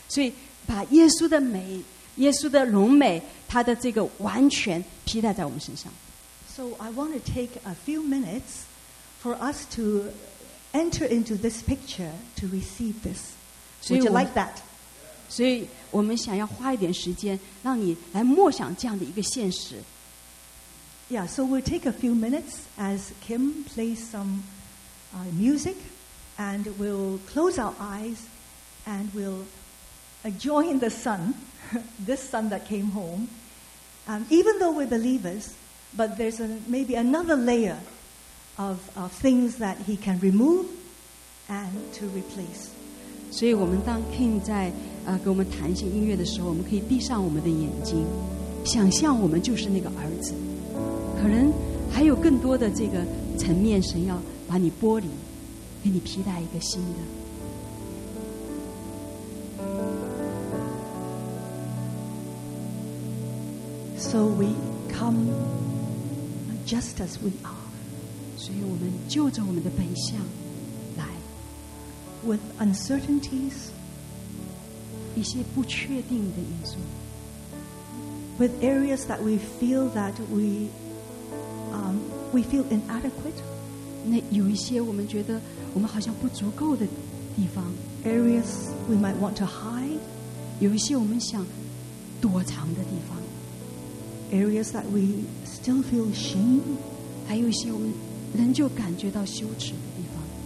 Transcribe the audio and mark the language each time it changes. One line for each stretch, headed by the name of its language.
Chinese: 所以把耶稣的美，耶稣的荣美，他的这个完全披戴在我们身上。
English: So I want to take a few minutes for us to enter into this picture to receive this. Would you like that?
Chinese: 所以我们想要花一点时间，让你来默想这样的一个现实。
English: Yeah, so we'll take a few minutes as Kim plays some music. And we'll close our eyes and we'll join the son, this son that came home. Even though we're believers, but there's maybe another layer of things that he can remove and to replace.
Chinese: 所以我们当 King 在给我们弹一些音乐的时候，我们可以闭上我们的眼睛，想象我们就是那个儿子。可能还有更多的这个层面，神要把你剥离。给你披戴一个新的。
English: So we come just as we are.
Chinese: 所以我们就着我们的本相来。
English: With uncertainties,
Chinese: 一些不确定的因素。
English: With areas that we feel that we feel inadequate.
Chinese: 那有一些我们觉得我们好像不足够的地方
English: areas we might want to hide
Chinese: 有一些我们想躲藏的地方
English: areas that we still feel shame
Chinese: 还有一些我们仍旧感觉到羞耻的地方